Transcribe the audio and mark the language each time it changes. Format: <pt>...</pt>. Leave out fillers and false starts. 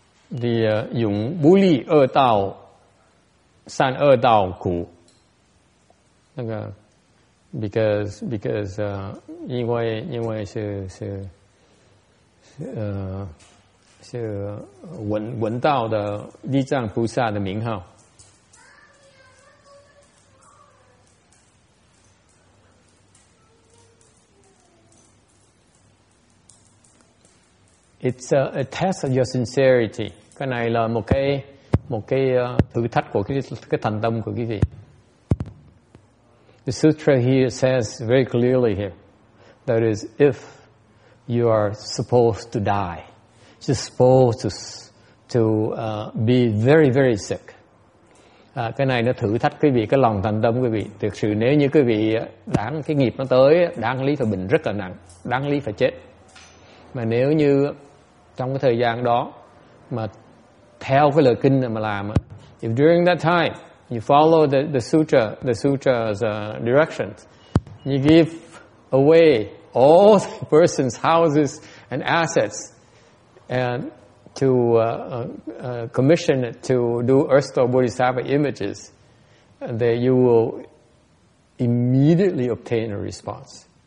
<en>thì dùng bú lì ơ tàu san ơ tàu củ. Because</en> <zh>因为是闻到的地藏菩萨的名号。</zh> <en>It's a test of your sincerity.</en> <vi>Cái này là một cái thử thách của cái thành tâm của quý vị.</vi> <en>The sutra here says very clearly here, that is, if you are supposed to die, you're supposed to be very, very sick.</en> <vi>Cái này nó thử thách quý vị, cái lòng thành tâm quý vị. Thực sự nếu như quý vị đáng, cái nghiệp nó tới, đáng lý phải bệnh rất là nặng, đáng lý phải chết. Mà nếu như trong cái thời gian đó mà theo cái lời kinh mà làm,</vi> <en>if during that time you follow the sutra's directions, you give away all the person's houses and assets and to commission to do earth or bodhisattva images, then you will immediately obtain a response.</en>